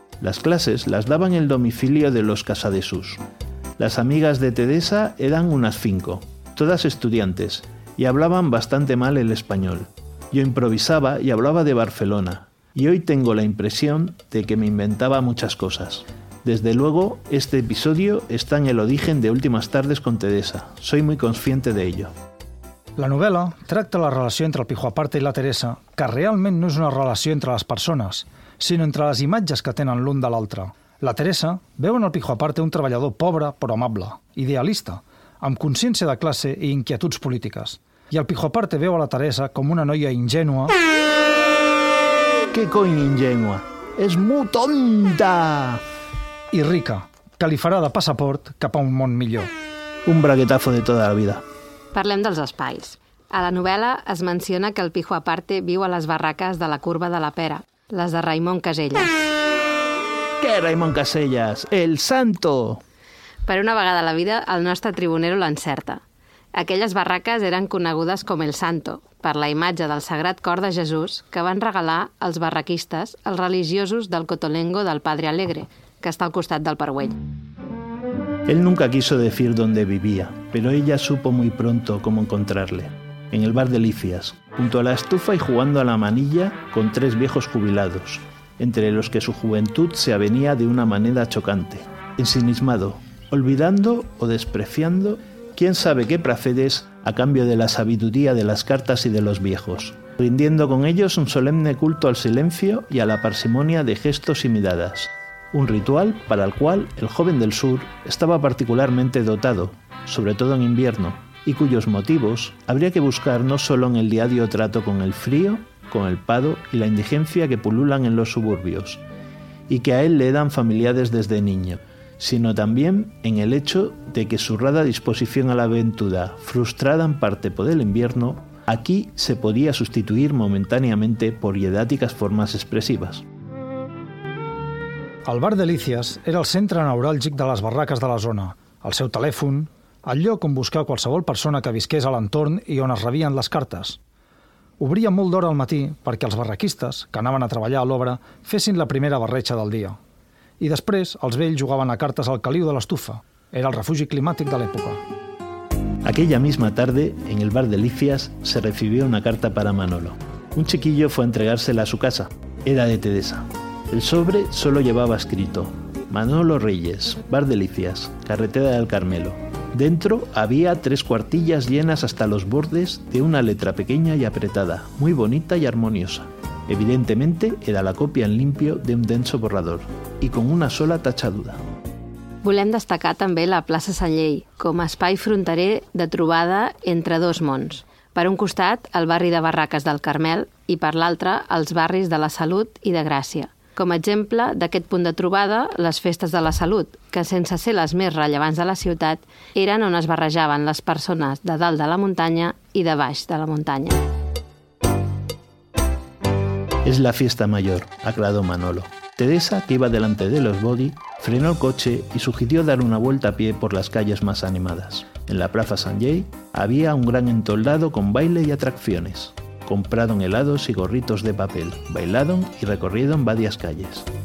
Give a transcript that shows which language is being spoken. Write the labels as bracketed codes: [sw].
[es] Las clases las daba en el domicilio de los Casadesús. Las amigas de Teresa eran unas 5, todas estudiantes, y hablaban bastante mal el español. Yo improvisaba y hablaba de Barcelona, y hoy tengo la impresión de que me inventaba muchas cosas. Desde luego, este episodio está en el origen de Últimas tardes con Teresa. Soy muy consciente de ello. [ca] La novel·la tracta la relació entre el Pijoaparte i la Teresa, que realment no és una relació entre les persones, sinó entre les imatges que tenen l'un de l'altre. La Teresa veu en el Pijoaparte un treballador pobre però amable, idealista, amb consciència de classe i inquietuds polítiques. I el Pijoaparte veu a la Teresa com una noia ingènua... [es] ¡Qué coi ingènua! ¡Es muy tonta! [ca] ...i rica, que li farà de passaport cap a un món millor. Un braguetazo de tota la vida. Parlem dels espais. A la novel·la es menciona que el Pijoaparte viu a les barraques de la Curva de la Pera, les de Raimon Casellas. [es] ¡Qué Raimon Casellas! ¡El santo! [ca] Per una vegada a la vida, el nostre tribunero l'encerta. Aquelles barraques eren conegudes com el santo, per la imatge del Sagrat Cor de Jesús que van regalar els barraquistes, els religiosos del Cotolengo del Padre Alegre, que està al costat del Parguell. [es] Él nunca quiso decir dónde vivía, pero ella supo muy pronto cómo encontrarle. En el bar Delicias, junto a la estufa y jugando a la manilla con tres viejos jubilados, entre los que su juventud se avenía de una manera chocante, ensimismado, olvidando o despreciando quién sabe qué placeres a cambio de la sabiduría de las cartas y de los viejos, rindiendo con ellos un solemne culto al silencio y a la parsimonia de gestos y miradas. Un ritual para el cual el joven del sur estaba particularmente dotado, sobre todo en invierno, y cuyos motivos habría que buscar no solo en el diario trato con el frío, con el pado y la indigencia que pululan en los suburbios, y que a él le dan familiares desde niño, sino también en el hecho de que su rada disposición a la aventura, frustrada en parte por el invierno, aquí se podía sustituir momentáneamente por hiedáticas formas expresivas. [ca] El bar Delícies era el centre neuràlgic de les barraques de la zona, el seu telèfon, el lloc on buscava qualsevol persona que visqués a l'entorn i on es rebien les cartes. Obria molt d'hora al matí perquè els barraquistes, que anaven a treballar a l'obra, fessin la primera barretxa del dia. I després, els vells jugaven a cartes al caliu de l'estufa. Era el refugi climàtic de l'època. [es] Aquella misma tarde, en el bar Delícies, se recibió una carta para Manolo. Un chiquillo fue a entregársela a su casa. Era de Teresa. El sobre solo llevaba escrito Manolo Reyes, Bar Delicias, Carretera del Carmelo. Dentro había tres cuartillas llenas hasta los bordes de una letra pequeña y apretada, muy bonita y armoniosa. Evidentemente era la copia en limpio de un denso borrador y con una sola tachadura. [ca] Volem destacar també la plaça Sant Llei com a espai fronterer de trobada entre dos mons. Per un costat, el barri de Barraques del Carmel i per l'altre, els barris de la Salut i de Gràcia. Com a exemple d'aquest punt de trobada, les festes de la salut, que sense ser les més rellevants de la ciutat, eren on es barrejaven les persones de dalt de la muntanya i de baix de la muntanya. [es] Es la fiesta mayor, aclaró Manolo. Teresa, que iba delante de los body, frenó el coche y sugirió dar una vuelta a pie por las calles más animadas. En la plaza Sant Llei había un gran entoldado con baile y atracciones. Compraron helados y gorritos de papel, bailaron y recorrieron varias calles.